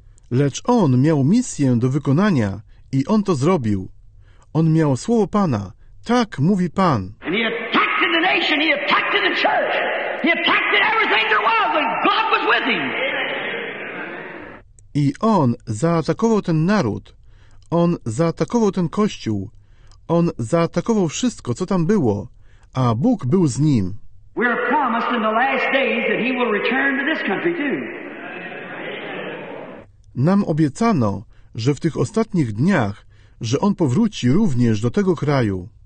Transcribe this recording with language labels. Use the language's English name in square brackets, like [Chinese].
[Polish] Lecz on miał misję do wykonania i on to zrobił. On miał słowo Pana, tak mówi Pan. [English] And he attacked the nation, he attacked the church. He attacked everything there was, and God was with him. [Polish] I on zaatakował ten naród. On zaatakował ten kościół. On zaatakował wszystko, co tam było, a Bóg był z nim. [English] We are promised in the last days that he will return to this country too. [Polish] Nam obiecano, że w tych ostatnich dniach, że on powróci również do tego kraju.